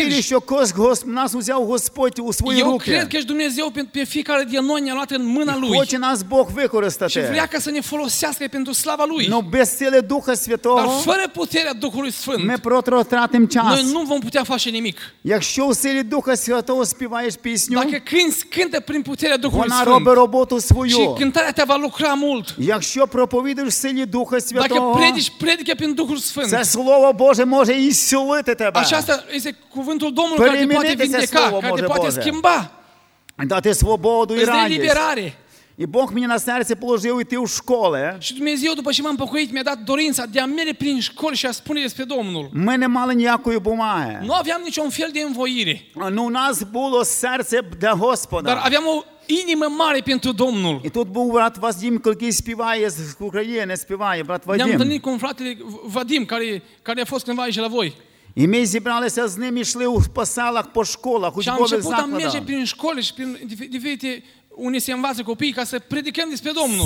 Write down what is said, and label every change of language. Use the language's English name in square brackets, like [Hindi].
[Ukrainian] Я вірю, що нас взяв Господь у свої руки. [Romanian] Eu cred că Dumnezeu pe fiecare din noi ne-a luat în mâna Lui. [Ukrainian] Хоче нас Бог використати. [Romanian] Și vrea ca să ne folosească pentru slava Lui. [Ukrainian] Но без сили Духа Святого. [Romanian] Dar fără puterea Duhului Sfânt. [Ukrainian] Ми просто втратимо час. [Romanian] Noi nu vom putea face nimic. [Ukrainian] Якщо у силі Духа Святого співаєш пісню. [Romanian] Dacă cânte prin puterea Duhului [Ukrainian] вона [Romanian] Sfânt. [Ukrainian] Вона робить роботу свою. [Romanian] Și cântarea ta va lucra mult. [Ukrainian] Якщо проповідуєш силі Духа Святого. [Romanian] Dacă predici predică prin Duhul Sfânt. [Ukrainian] Це слово Боже може ісцілити. [Romanian] Aceasta este cuvântul Domnului care te poate vindeca, care te poate schimba. [Ukrainian] Dă-te svobodu i radost. [Romanian] Îți dă eliberare. [Ukrainian] І Бог мені на серце положив іти у школи. [Romanian] Що Dumnezeu, după ce m-am pocăit, mi-a dat dorința de a merge prin școli și a spune despre Domnul. [Ukrainian] Ми не мали ніякої бумаги. [Romanian] Nu aveam niciun fel de învoire. [Ukrainian] Nu, у нас було серце для Господа. [Romanian] Dar aveam o inimă mare pentru Domnul. [Ukrainian] І тут був брат Вадим, який співає з України, співає, брат Вадим. [Romanian] Ne-am întâlnit cu un fratele Vadim, care a fost cândva aici la voi. [Ukrainian] І ми зібралися з ним і йшли у поселах, по школах, у школах закладах. [Romanian] Și am început, am merge prin școli și prin diferite unde se învață copiii ca să predicăm despre Domnul.